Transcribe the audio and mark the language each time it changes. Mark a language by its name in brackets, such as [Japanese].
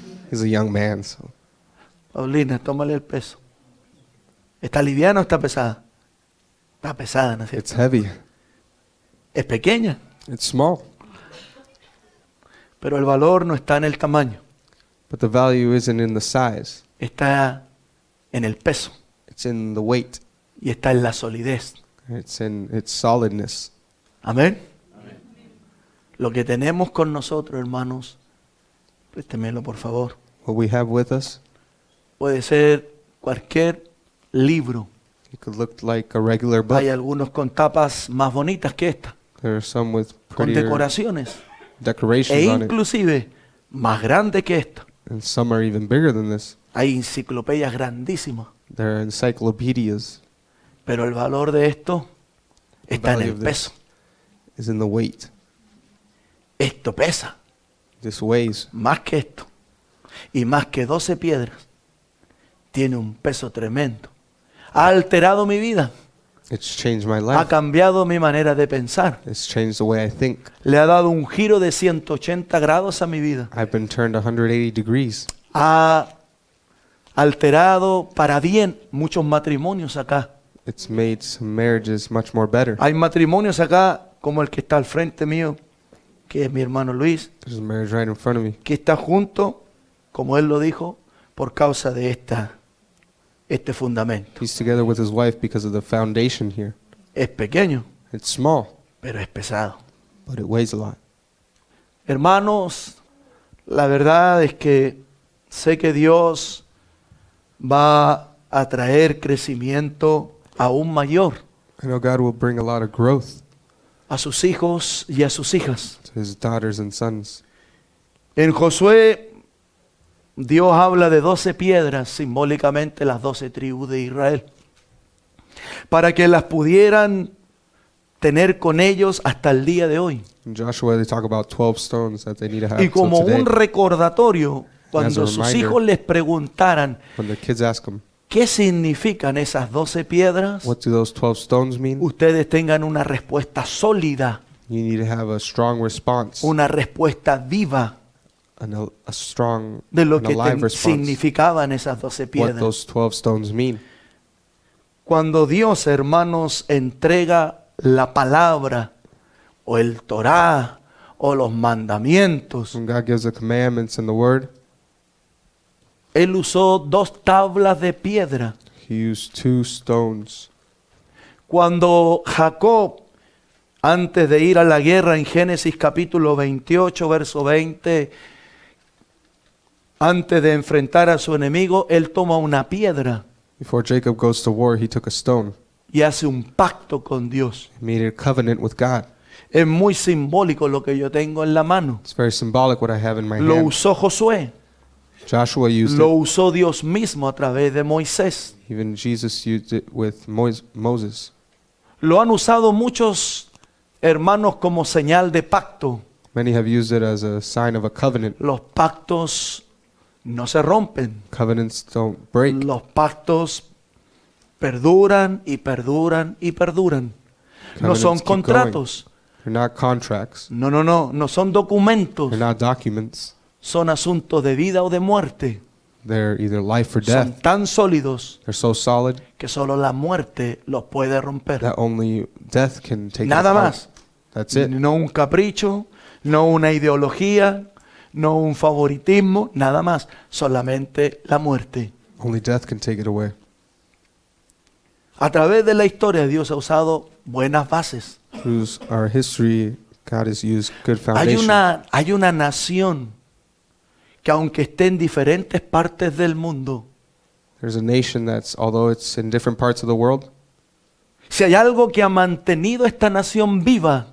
[English] He's a young man, so. [Spanish] Paulina, tómale el peso. ¿Está liviana o está pesada? Está pesada, ¿no es cierto? [English] It's heavy. [Spanish] Es pequeña. [English] It's small. [Spanish] Pero el valor no está en el tamaño. [English] But the value isn't in the size. [Spanish] Está en el peso. [English] It's in the weight. [Spanish] Y está en la solidez. [English] It's in its solidness. [Spanish] Amén. Lo que tenemos con nosotros, hermanos, préstemelo por favor. [English] What we have with us. [Spanish] Puede ser cualquier libro. [English] It could look like a regular book. [Spanish] Hay algunos con tapas más bonitas que esta. [English] There are some with prettier [Spanish] con decoraciones. [English] Decorations [Spanish] e inclusive [English] on it. [Spanish] Más grande que esta. [English] And some are even bigger than this. [Spanish] Hay enciclopedias grandísimas. [English] There are encyclopedias. [Spanish] Pero el valor de esto está en el peso. [English] Is in the weight. [Spanish] Esto pesa. [English] This weighs. [Spanish] Más que esto. Y más que 12 piedras. Tiene un peso tremendo. Ha alterado mi vida. [English] It's changed my life. [Spanish] Ha cambiado mi manera de pensar. [English] It's changed the way I think. [Spanish] Le ha dado un giro de 180 grados a mi vida. [English] I've been turned 180 degrees. [Spanish] Ha alterado para bien muchos matrimonios acá. [English] It's made some marriages much more better. [Spanish] Hay matrimonios acá como el que está al frente mío, que es mi hermano Luis. [English] There's a marriage right in front of me. [Spanish] Que está junto, como él lo dijo, por causa de este fundamento. [English] He's together with his wife because of the foundation here. [Spanish] Es pequeño. [English] It's small. [Spanish] Pero es pesado. [English] But it weighs a lot. [Spanish] Hermanos, la verdad es que sé que Dios va a traer crecimiento aún mayor. [English] I know God will bring a lot of growth. [Spanish] A sus hijos y a sus hijas. [English] To his daughters and sons. [Spanish] En Josué, Dios habla de 12 piedras, simbólicamente las 12 tribus de Israel, para que las pudieran tener con ellos hasta el día de hoy. [English] In Joshua, they talk about 12 stones that they need to have. [Spanish] Y como un recordatorio, cuando sus hijos les preguntaran, [English] when the kids ask them, [Spanish] ¿qué significan esas 12 piedras? [English] What do those 12 stones mean? [Spanish] Ustedes tengan una respuesta sólida. [English] You need to have a strong response. [Spanish] Una respuesta viva. [English] A strong, [Spanish] de lo [English] an [Spanish] que [English] alive response. [Spanish] Significaban esas 12 piedras. [English] What those 12 stones mean. [Spanish] Cuando Dios, hermanos, entrega la palabra, o el Torah, o los mandamientos. [English] When God gives the commandments and the word. [Spanish] Él usó dos tablas de piedra. [English] He used two stones. [Spanish] Cuando Jacob, antes de ir a la guerra en Génesis capítulo 28, verso 20, antes de enfrentar a su enemigo, él toma una piedra. [English] Before Jacob goes to war, he took a stone. [Spanish] Y hace un pacto con Dios. [English] He made a covenant with God. [Spanish] Es muy simbólico lo que yo tengo en la mano. [English] It's very symbolic what I have in my hand. [Spanish] Lo usó Josué. [English] Joshua used [Spanish] lo usó Dios mismo a través de Moisés. [English] Even Jesus used it with Moses. [Spanish] Lo han usado muchos hermanos como señal de pacto. [English] Many have used it as a sign of a covenant. [Spanish] Los pactos no se rompen. [English] Covenants don't break. [Spanish] Los pactos perduran y perduran y perduran. [English] Covenants [Spanish] no son contratos. [English] They're not contracts. [Spanish] No son documentos. [English] They're not documents. [Spanish] Son asuntos de vida o de muerte. [English] They're either life or death. [Spanish] Son tan sólidos. [English] They're so solid. [Spanish] Que solo la muerte los puede romper. [English] That only death can take [Spanish] nada [English] apart. [Spanish] Más. [English] That's it. [Spanish] No un capricho, no una ideología, no un favoritismo, nada más. Solamente la muerte. [English] Only death can take it away. [Spanish] A través de la historia, Dios ha usado buenas bases. [English] Through our history, God has used good foundation. [Spanish] Hay una nación que aunque esté en diferentes partes del mundo, [English] there's a nation that's, although it's in different parts of the world, [Spanish] si hay algo que ha mantenido esta nación viva,